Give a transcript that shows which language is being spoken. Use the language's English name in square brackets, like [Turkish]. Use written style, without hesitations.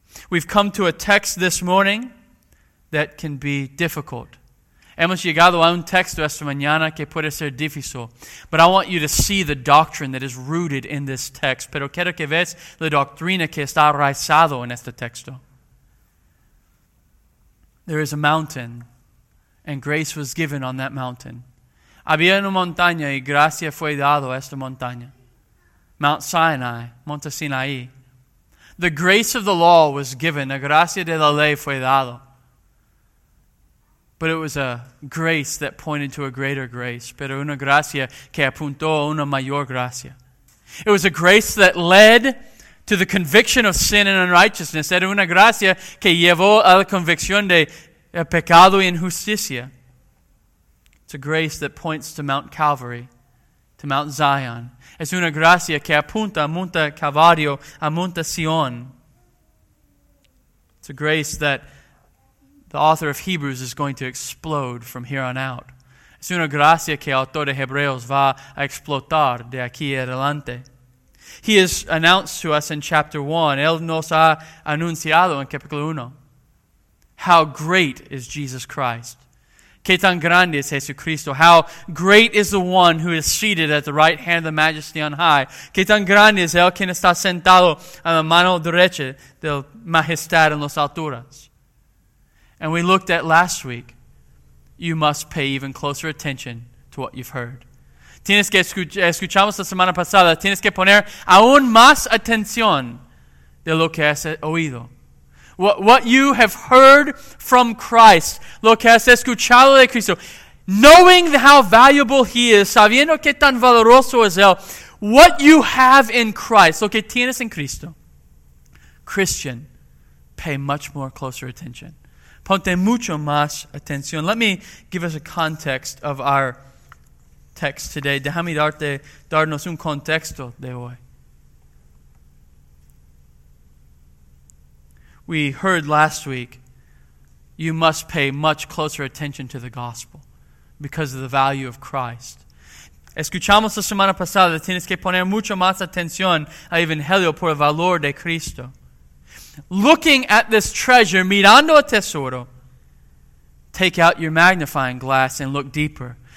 [English] We've come to a text this morning that can be difficult. [Spanish] Hemos llegado a un texto esta mañana que puede ser difícil. [English] But I want you to see the doctrine that is rooted in this text. [Spanish] Pero quiero que veas la doctrina que está arraigada en este texto. [English] There is a mountain, and grace was given on that mountain. [Spanish] Había una montaña, y gracia fue dado a esta montaña. [English] Mount Sinai, Monte Sinaí. The grace of the law was given, [Spanish] la gracia de la ley fue dado. [English] But it was a grace that pointed to a greater grace. [Spanish] Pero una gracia que apuntó a una mayor gracia. [English] It was a grace that led to the conviction of sin and unrighteousness. [Spanish] Era una gracia que llevó a la convicción de pecado y injusticia. [English] It's a grace that points to Mount Calvary, to Mount Zion. [Spanish] Es una gracia que apunta a Monte Calvario, a Monte Sion. [English] It's a grace that the author of Hebrews is going to explode from here on out. [Spanish] Es una gracia que el autor de Hebreos va a explotar de aquí adelante. [English] He has announced to us in chapter 1. [Spanish] Él nos ha anunciado en capítulo 1. [English] How great is Jesus Christ. [Spanish] Qué tan grande es Jesucristo. [English] How great is the one who is seated at the right hand of the majesty on high. [Spanish] Qué tan grande es el que está sentado a la mano derecha del majestad en las alturas. [English] And we looked at last week, you must pay even closer attention to what you've heard. [Spanish] Tienes que escuchamos la semana pasada, tienes que poner aún más atención de lo que has oído. [English] What you have heard from Christ, [Spanish] lo que has escuchado de Cristo, [English] knowing how valuable He is, [Spanish] sabiendo que tan valoroso es Él, [English] what you have in Christ, [Spanish] lo que tienes en Cristo, [English] Christian, pay much more closer attention. [Spanish] Ponte mucho más atención. [English] Let me give us a context of our text today. [Spanish] Déjame darnos un contexto de hoy. [English] We heard last week, you must pay much closer attention to the gospel because of the value of Christ. [Spanish] Escuchamos la semana pasada, tienes que poner mucho más atención al evangelio por el valor de Cristo. [English] Looking at this treasure, [Spanish] mirando a tesoro, [English] take out your magnifying glass and look deeper.